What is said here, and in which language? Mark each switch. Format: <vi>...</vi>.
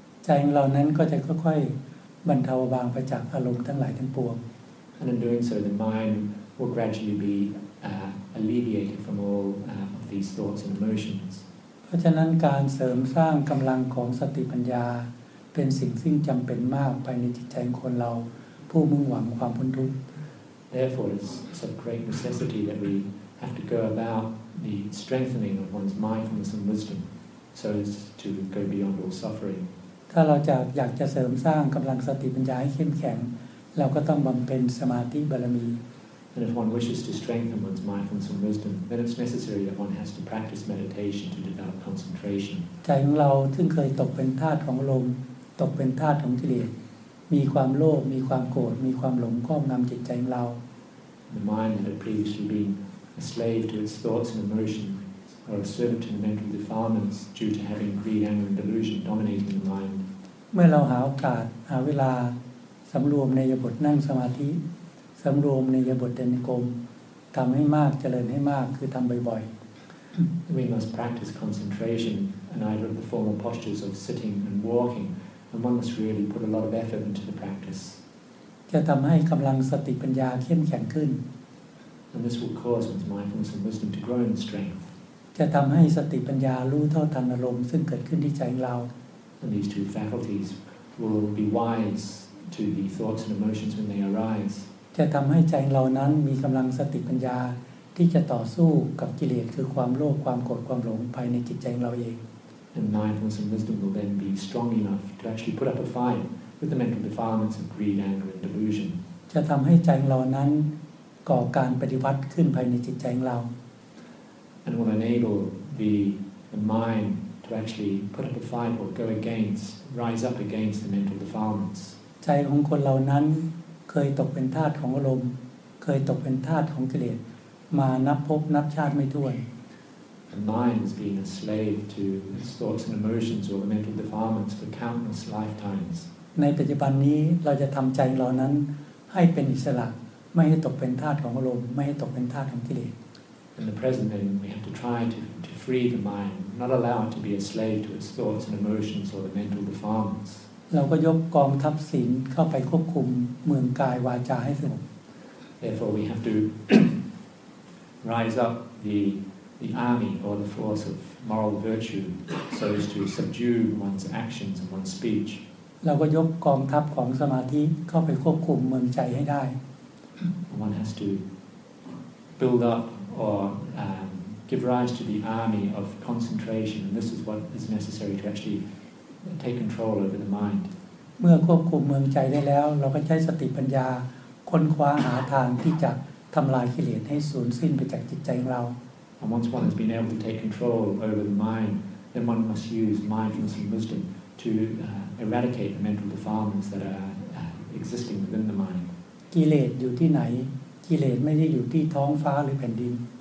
<th>ใจของเรานั้นก็จะค่อยๆบรรเทาบางไปจากอารมณ์ทั้งหลายทั้งปวง</th> <en>And in doing so, the mind will gradually be alleviated from all of these thoughts and emotions.</en> <th>เพราะฉะนั้นการเสริมสร้างกำลังของสติปัญญาเป็นสิ่งซึ่งจำเป็นมากภายในจิตใจของคนเราผู้มุ่งหวังความพ้นทุกข์</th> <en>Therefore it's of great necessity that we have to go about the strengthening of one's mindfulness and wisdom so as to go beyond all suffering</en> <th>ถ้าเราจะอยากจะเสริมสร้างกำลังสติปัญญาให้เข้มแข็งเราก็ต้องบำเพ็ญสมาธิบารมี</th> <en>And if one wishes to strengthen one's mindfulness and wisdom, then it's necessary that one has to practice meditation to develop concentration.</en> <th>ใจของเราซึ่งเคยตกเป็นทาสของอารมณ์ตกเป็นทาสของกิเลสมีความโลภมีความโกรธมีความหลงครอบงำจิตใจของเรา</th> <en>The mind that had previously been a slave to its thoughts and emotions, or a servant to the mental defilements due to having greed, anger, and delusion dominating the mind.</en> <th>เมื่อเราหาโอกาสหาเวลาสำรวมในบทนั่งสมาธิสำรวมในยบทเดินกรมทำให้มากเจริญให้มากคือทำบ่อย</th> <en>ๆ We must practice concentration in either of the formal postures of sitting and walking and one must really put a lot of effort into the practice</en> <th>จะทำให้กำลังสติปัญญาเข้มแข็งขึ้น</th> <en>And this will cause one's mindfulness and wisdom to grow in strength</en> <th>จะทำให้สติปัญญารู้เท่าทันอารมณ์ซึ่งเกิดขึ้นที่ใจเรา</th> <en>And these two faculties will be wise to the thoughts and emotions when they arise</en> <th>จะทำให้ใจเรานั้นมีกำลังสติปัญญาที่จะต่อสู้กับกิเลสคือความโลภความโกรธความหลงภายในจิตใจเราเอง</th> <en>And mindfulness and wisdom will then be strong enough to actually put up a fight with the mental defilements of greed, anger, and delusion.</en> <th>จะทำให้ใจเรานั้นก่อการปฏิวัติขึ้นภายในจิตใจเรา</th> <en>And will enable the mind to actually put up a fight or go against, rise up against the mental defilements.</en> <th>ใจของคนเรานั้นเคยตกเป็นทาสของอารมณ์เคยตกเป็นทาสของกิเลสมานับภพนับชาติไม่ถ้วน</th> <en>The mind has been a slave to its thoughts and emotions or the mental defilements for countless lifetimes</en> <th>ในปัจจุบันนี้เราจะทำใจเรานั้นให้เป็นอิสระไม่ให้ตกเป็นทาสของอารมณ์ไม่ให้ตกเป็นทาสของกิเลส</th> <en>In the present then we have to try to free the mind not allow it to be a slave to its thoughts and emotions or the mental defilements</en> <th>เราก็ยกกองทัพศีลเข้าไปควบคุมเมืองกายวาจาให้สงบ</th> <en>Therefore we have to rise up the army or the force of moral virtue so as to subdue one's actions and one's speech</en> <th>เราก็ยกกองทัพของสมาธิเข้าไปควบคุมเมืองใจให้ได้</th> <en>One has to build up or give rise to the army of concentration and this is what is necessary to actuallyTake control over the mind.</en> <th>เมื่อควบคุมเมืองใจได้แล้วเราก็ใช้สติปัญญาค้นคว้าหาทางที่จะทำลายกิเลสให้สูญสิ้นไปจากจิตใจของเรา</th> <en>And once one has been able to take control over the mind, then one must use mindfulness and wisdom to eradicate the mental defilements that are existing within the mind.</en> <th>กิเลสอยู่ที่ไหนกิเลสไม่ได้อยู่ที่ท้องฟ้าหรือแผ่นดิน</th>